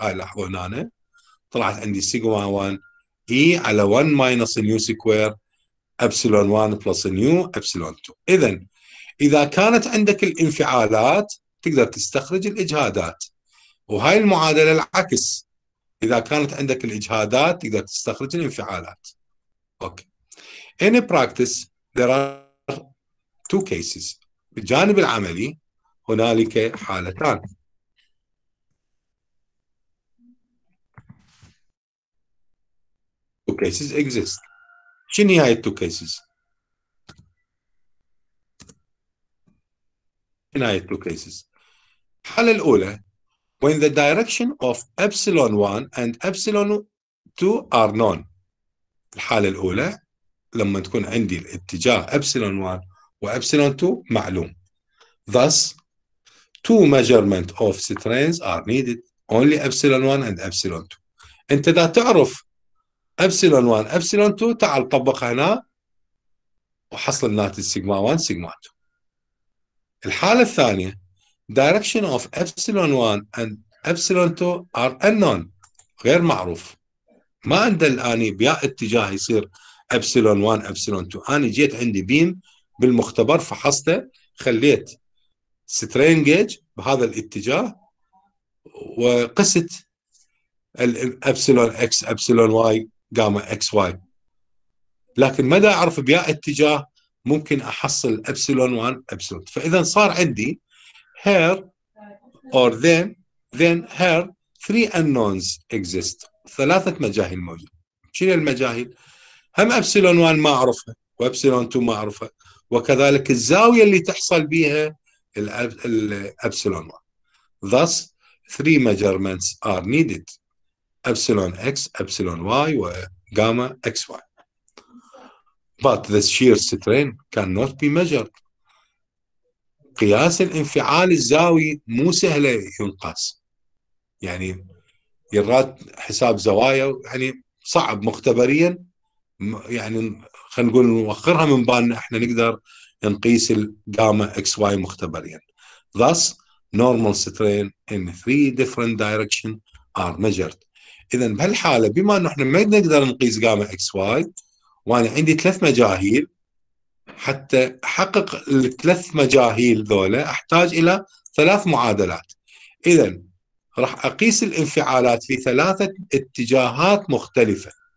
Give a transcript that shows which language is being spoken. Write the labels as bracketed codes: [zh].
[ar] هاي لاحظوا هنا أنا طلعت عندي سيجما 1 اي على 1 ماينس نيو سكوير epsilon 1 بلس نيو epsilon 2. إذن إذا كانت عندك الانفعالات تقدر تستخرج الإجهادات، وهاي المعادلة العكس، إذا كانت عندك الإجهادات تقدر تستخرج الانفعالات. أوكي. [en] In practice there are two cases، [ar] بالجانب العملي هنالك حالتان. [en] Two cases exist. [ar] شنو هي التو كيسز؟ هاي التو كيسز. الحالة الأولى [en] when the direction of epsilon 1 and epsilon 2 are known. [ar] الحالة الأولى لما تكون عندي الاتجاه epsilon 1 و epsilon 2 معلوم. [en] Thus two measurement of strains are needed only epsilon 1 and epsilon 2. [ar] أنت إذا تعرف epsilon 1 epsilon 2 تعال طبق هنا وحصل الناتج سيجما 1 سيجما 2. الحالة الثانية [en] direction of epsilon 1 and epsilon 2 are unknown، [ar] غير معروف، ما عندي الآن بيا اتجاه يصير epsilon 1 epsilon 2. أنا جيت عندي بيم بالمختبر فحصته، خليت سترين جيج بهذا الاتجاه وقست epsilon x epsilon y جاما اكس واي، لكن مدى اعرف بيا اتجاه ممكن احصل epsilon 1 epsilon 2. فاذا صار عندي [en] here or then here three unknowns exist، [ar] ثلاثة مجاهيل موجودة. شنو المجاهيل؟ هم epsilon 1 ما اعرفها و epsilon 2 ما اعرفها، وكذلك الزاوية اللي تحصل بيها epsilon 1. [en] thus three measurements are needed epsilon x epsilon y و gamma x y، but the shear strain cannot be measured، [ar] قياس الانفعال الزاوي مو سهل ينقاس، يعني يراد حساب زوايا يعني صعب مختبريا، يعني خلينا نقول نوخرها من بالنا، احنا نقدر نقيس الجاما اكس واي مختبريا. [en] Thus, normal strain in three different directions are measured. [ar] اذا بهالحاله بما انه احنا ما نقدر نقيس جاما اكس واي، وانا عندي ثلاث مجاهيل، حتى احقق الثلاث مجاهيل ذولا احتاج الى ثلاث معادلات. اذا راح اقيس الانفعالات في ثلاثه اتجاهات مختلفه.